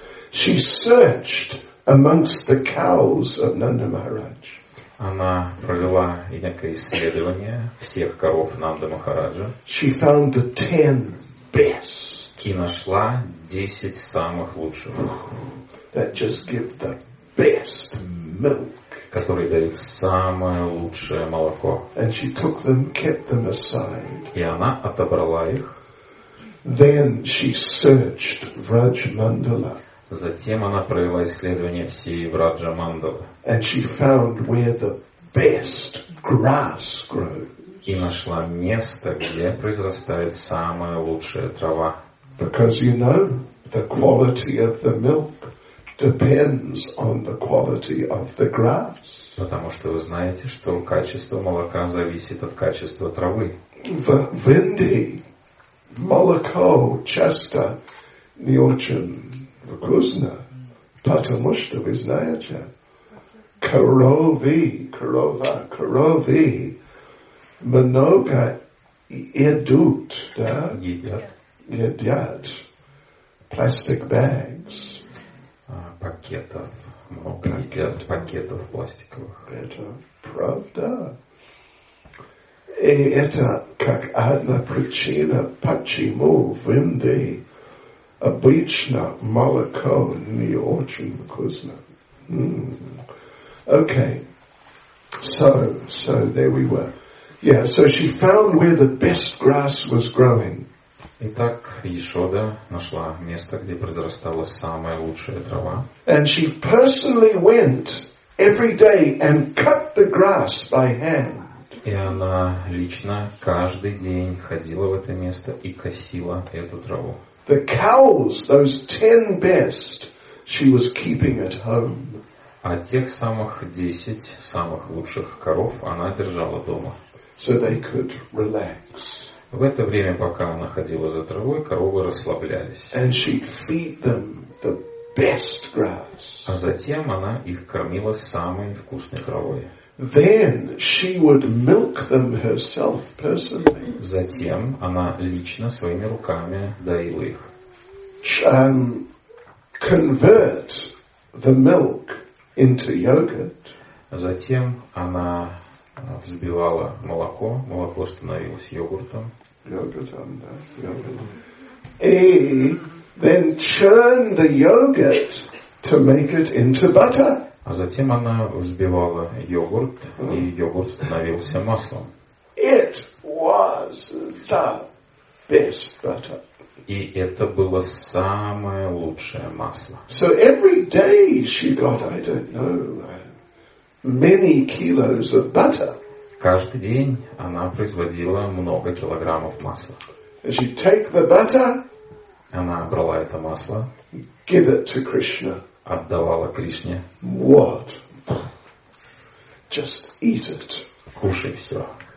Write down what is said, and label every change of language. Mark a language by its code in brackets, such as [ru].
[en] She searched amongst the cows of Nanda Maharaj. [ru] Она провела некое исследование всех коров Нанда Махараджа. [en] She found the 10 best. [ru] И нашла 10 самых лучших. [en] That just give the best milk. [ru] Который дает самое лучшее молоко. [en] And she took them, kept them aside. [ru] И она отобрала их. [en] Then she searched Враджмандала. [ru] Затем она провела исследование всей Враджа-мандалы. [en] And she found where the best grass grows. [ru] И нашла место, где произрастает самая лучшая трава. [en] Because you know, the quality of the milk depends on the quality of the grass. [ru] Потому что вы знаете, что качество молока зависит от качества травы. В Винди молоко часто не очень вкусно, потому что вы знаете, корови много едут, да? Едят [en] plastic bags. [ru] Пакетов. Много едят пакетов пластиковых. Это правда. И это как одна причина, почему в Индии обычно молоко не очень вкусно. [en] Okay. So there we were. Yeah, so she found where the best grass was growing. [ru] Итак, Йешода нашла место, где произрастала самая лучшая трава. [en] And she personally went every day and cut the grass by hand. [ru] И она лично каждый день ходила в это место и косила эту траву. [en] The cows, those 10 best, she was keeping at home. [ru] А тех самых 10 самых лучших коров она держала дома. [en] So they could relax. [ru] В это время, пока она ходила за травой, коровы расслаблялись. [en] And she'd feed them the best grass. [ru] А затем она их кормила самой вкусной травой. [en] Then she would milk them herself personally. [ru] Затем она лично своими руками доила их. [en] Convert the milk into yogurt. [ru] Затем она взбивала молоко, молоко становилось йогуртом. Йогуртом, да, йогурт. И [en] then churn the yogurt to make it into butter. [ru] А затем она взбивала йогурт, и йогурт становился маслом. [en] It was the best butter. [ru] И это было самое лучшее масло. [en] So every day she got, I don't know, many kilos of butter. [ru] Каждый день она производила много килограммов масла. [en] And she'd take the butter. [ru] Она брала это масло. [en] Give it to Krishna. [ru] Отдавала Кришне. [en] What? Just eat it. [ru] Кушай все.